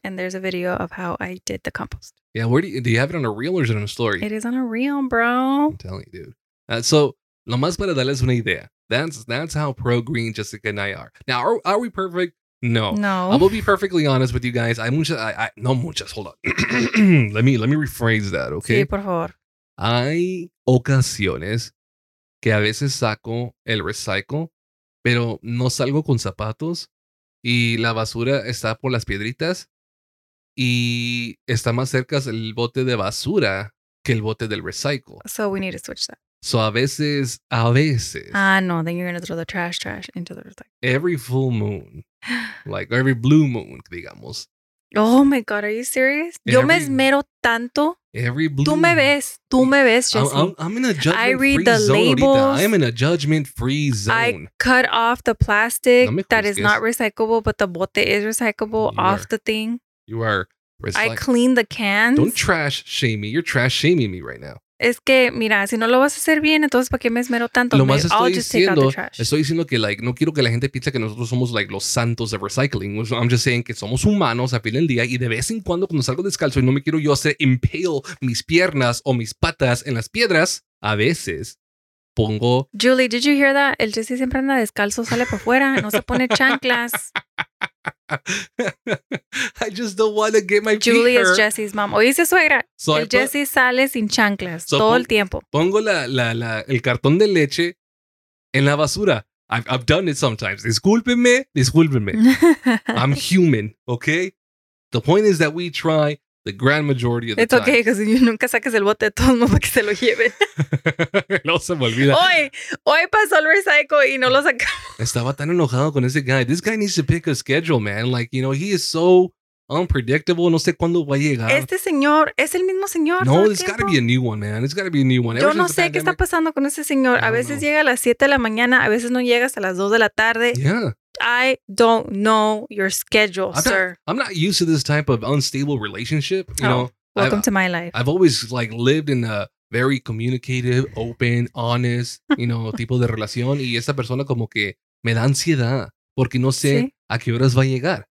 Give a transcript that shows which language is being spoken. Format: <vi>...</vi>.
<en>And there's a video of how I did the compost. Yeah. Do you have it on a reel or is it on a story? It is on a reel, bro. I'm telling you, dude. So,</en> <es>lo más para darles una idea.</es> <en>That's how pro-green Jessica and I are. Now, are we perfect? No. No. I will be perfectly honest with you guys. Hold on. let me rephrase that, okay?</en> <es>Sí, por favor. Hay ocasiones que a veces saco el recycle, pero no salgo con zapatos. Y la basura está por las piedritas y está más cerca el bote de basura que el bote del recycle.</es> <en>So we need to switch that.</en> <es>So a veces.</es> <en>Ah, no, then you're going to throw the trash into the recycle. Every full moon, like every blue moon,</en> <es>digamos.</es> <en>Oh my God, are you serious?</en> <es>Yo me esmero tanto.</es> <en>Every blue</en> <es>moon. Tú me ves, Jesse.</es> <en>I'm in a judgment-free zone. I read the labels. I am in a judgment-free zone. I cut off the plastic that is not recyclable, but the bote is recyclable off the thing. You are recyclable. I clean the cans. Don't trash shame me. You're trash shaming me right now.</en> <es>Es que, mira, si no lo vas a hacer bien, entonces, ¿para qué me esmero tanto? Estoy diciendo que, like, no quiero que la gente piense que nosotros somos, like, los santos de recycling.</es> <en>I'm just saying</en> <es>que somos humanos a fin del día y de vez en cuando salgo descalzo y no me quiero yo hacer impale mis piernas o mis patas en las piedras, a veces pongo...</es> <en>Julie, did you hear that?</en> <es>El Jesse siempre anda descalzo, sale para afuera, no se pone chanclas.</es> <en>I just don't want to get my feet hurt. Julie is Jesse's mom.</en> <es>Oíste, suegra. So el Jesse sale sin chanclas todo el tiempo. Pongo el cartón de leche en la basura.</es> <en>I've done it sometimes.</en> <es>Discúlpenme.</es> <en>I'm human, okay? The point is that we try the grand majority of the time. It's okay, because you</en> <es>nunca saques el bote de todos modos para que se lo lleve. No se me olvida. Hoy pasó el recycle y no lo sacamos. Estaba tan enojado con ese guy.</es> <en>This guy needs to pick a schedule, man. Like, you know, he is so unpredictable.</en> <es>No sé cuándo va a llegar. Este señor, es el mismo señor.</es> <en>No, it's got to be a new one, man. It's got to be a new one.</en> <es>Yo no sé qué está pasando con ese señor. A veces llega a las 7 de la mañana, a veces no llega hasta las 2 de la tarde.</es> <en>Yeah. I don't know your schedule, sir. I'm not used to this type of unstable relationship. You know, welcome to my life. I've always like lived in a very communicative, open, honest, you know,</en> <es>tipo de relación. Y esta persona como que me da ansiedad porque no sé a qué horas va a llegar.</es>